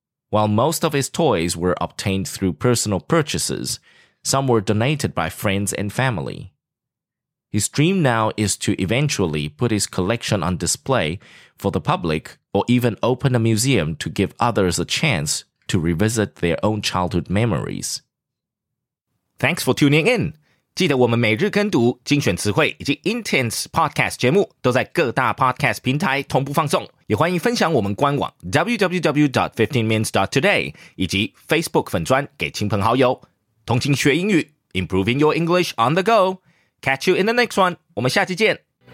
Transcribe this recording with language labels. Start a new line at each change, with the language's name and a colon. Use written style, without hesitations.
English: While most of his toys were obtained through personal purchases, some were donated by friends and family. His dream now is to eventually put his collection on display for the public or even open a museum to give others a chance. To revisit their own childhood memories. Thanks for tuning in.
Chinese: 记得我们每日跟读精选词汇以及 Intense Podcast 节目都在各大 Podcast 平台同步放送。也欢迎分享我们官网 www.15minutes.today 以及 Facebook 粉专给亲朋好友。同情学英语
English: ，Improving your English on the go. Catch you in the next one.
Chinese: 我们下期见。